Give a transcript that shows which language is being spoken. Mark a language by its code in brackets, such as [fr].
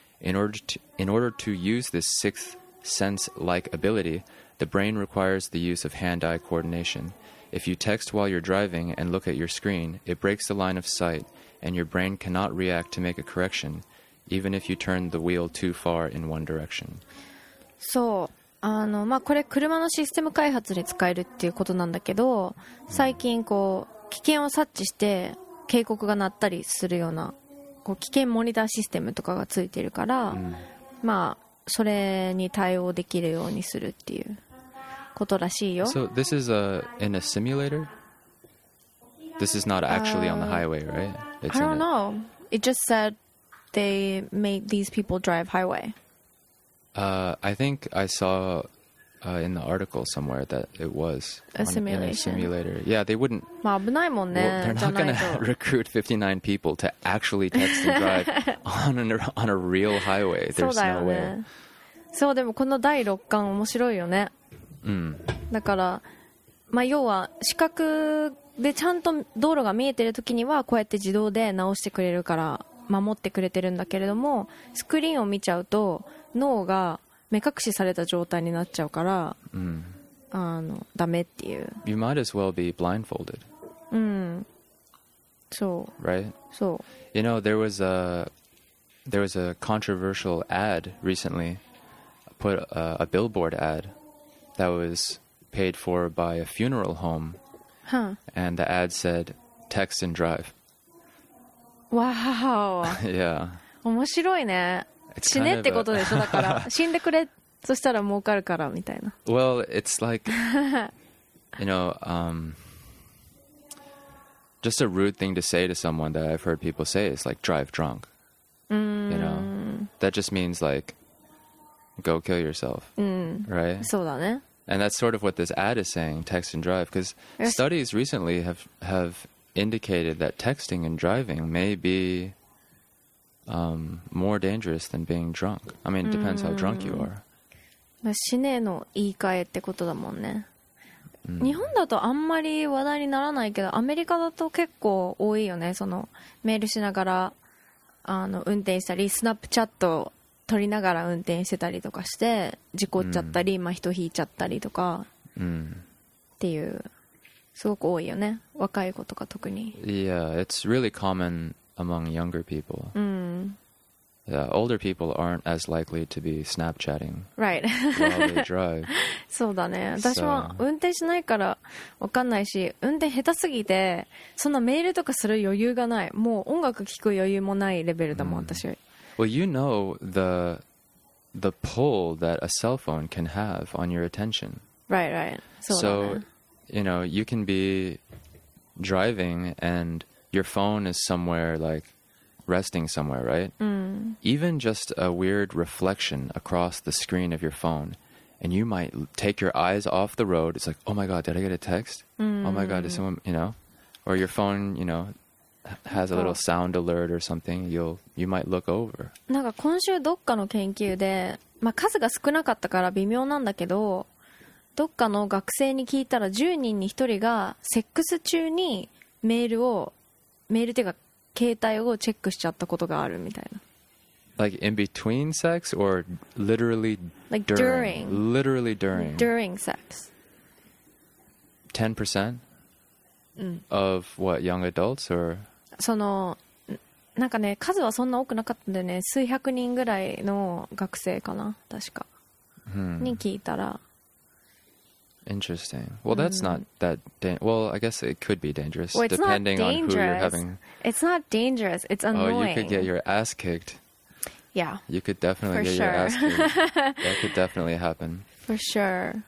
[en] In order to use this sixth sense-like ability, the brain requires the use of hand-eye coordination. If you text while you're driving and look at your screen, it breaks the line of sight, and your brain cannot react to make a correction, even if you turn the wheel too far in one direction. [ja] So, これ車のシステム開発で使えるっていうことなんだけど、最近こう危険を察知して警告が鳴ったりするようなこう危険モニターシステムとかがついてるから、まあそれに対応できるようにするっていうことらしいよ。 [en] So this is in a simulator? This is not actually on the highway, right? I don't know. It just said they made these people drive highway. I think I saw in the article somewhere that it was a simulator. Yeah, they wouldn't... [ja] まあ危ないもんね。 [en] Well, they're not going to recruit 59 people to actually text and drive on a real highway. There's no way. [ja] そう、でもこの第六感面白いよね。だから、まあ、要は視覚でちゃんと道路が見えてる時にはこうやって自動で直してくれるから守ってくれてるんだけれども、スクリーンを見ちゃうと脳が目隠しされた状態になっちゃうから、ダメっていう。 [en] You might as well be blindfolded. [ja] そう。 [en] Right? [ja] そう。 [en] You know, there was a controversial ad recentlyput a billboard ad that was paid for by a funeral home. Huh. And the ad said, text and drive. Wow. Yeah. [ja] 面白いね。死ねってことでしょ、だから。死んでくれ、そしたら儲かるからみたいな。 [en] Well, it's like, you know, just a rude thing to say to someone that I've heard people say is like, drive drunk. You know, that just means like, go kill yourself. Right? [ja] そうだね。 [en] And that's sort of what this ad is saying, text and drive, because studies recently have indicated that texting and driving may be more dangerous than being drunk. I mean, it depends how drunk you are. [ja] 死ねの言い換えってことだもんね。日本だとあんまり話題にならないけど、アメリカだと結構多いよね。そのメールしながら運転したり、スナップチャット撮りながら運転してたりとかして事故っちゃったり、人引いちゃったりとかっていう、すごく多いよね、若い子とか特に。 [en] Yeah, it's really common among younger people. Yeah, older people aren't as likely to be Snapchatting while they drive. [ja] そうだね。私は運転しないから分かんないし、運転下手すぎてそんなメールとかする余裕がない。もう音楽聞く余裕もないレベルだもん、私は。 [en] Well, you know the pull that a cell phone can have on your attention. Right, right. So, you know, you can be driving and your phone is somewhere like resting somewhere, right? Even just a weird reflection across the screen of your phone, and you might take your eyes off the road. It's like, oh my god, did I get a text? Oh my god, did someone, you know? Or your phone, you know, has a little sound alert or something. You might look over. [ja] なんか今週どっかの研究で、数が少なかったから微妙なんだけど、どっかの学生に聞いたら10人に1人がセックス中にメールっていうか携帯をチェックしちゃったことがあるみたいな。 [en] Like in between sex or literally like during? Literally during. During sex. 10%? Of what, young adults or? [ja] その、なんかね、数はそんな多くなかったんでね、数百人ぐらいの学生かな、確か。に聞いたら。 [en] Interesting. Well, that's not that well, I guess it could be dangerous, well, depending dangerous. On who you're having. It's not dangerous. It's annoying. Oh, you could get your ass kicked. Yeah. You could definitely for get sure. your ass kicked. That could definitely happen. For sure.